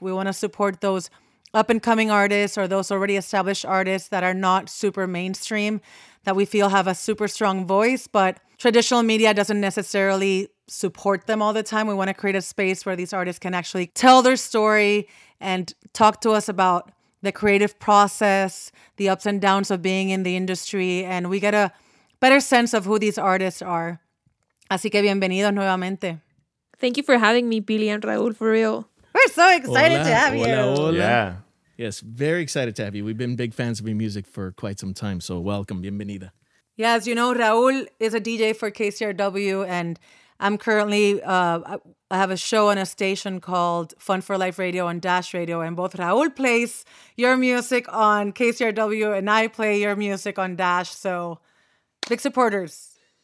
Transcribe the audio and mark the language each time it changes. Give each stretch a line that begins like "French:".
English: We want to support those up-and-coming artists or those already established artists that are not super mainstream, that we feel have a super strong voice, but traditional media doesn't necessarily support them all the time. We want to create a space where these artists can actually tell their story and talk to us about the creative process, the ups and downs of being in the industry, and we get a better sense of who these artists are.
Spanish: Así que bienvenidos nuevamente.
English: Thank you for having me, Pili and Raúl, for real. We're so excited to have you.
Spanish: Hola.
English: Yeah. Yes, very excited to have you. We've been big fans of your music for quite some time, so welcome, bienvenida. Yeah, as you know, Raúl is a DJ for KCRW, and I'm currently, I have a show on a station called Fun for Life Radio on Dash Radio, and both Raúl plays your music on KCRW, and I play your music on Dash, so big supporters.